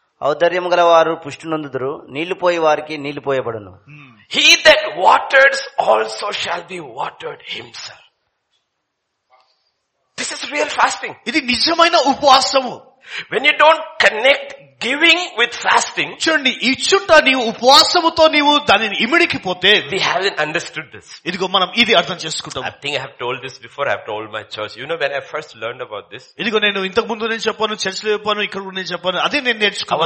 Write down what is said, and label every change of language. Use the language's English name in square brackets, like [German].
[Telugu] ఔదర్యము గల వారు పుష్టి నొందుదురు, నీళ్లు పోయే వారికి నీళ్లు పోయబడును. [English] He that waters also shall be watered himself. This is real fasting. [Telugu] ఇది నిజమైన ఉపవాసము. [English] When you don't connect giving with fasting, [Telugu] చూడండి ఇచ్చుట నీవు ఉపవాసముతో నీవు దానిని ఇమిడికి పోతే, [English] we haven't understood this. [Telugu] ఇదిగో మనం ఇది అర్థం చేసుకుంటాం. [English] I think I have told this before. I have told my church. You know, when I first learned about this, [Telugu] ఇదిగో నేను ఇంతకు ముందు నేను చెప్పాను, చర్చ్ లో చెప్పాను, ఇక్కడ కూడా నేను చెప్పాను, అదే నేను నేర్చుకున్నాను.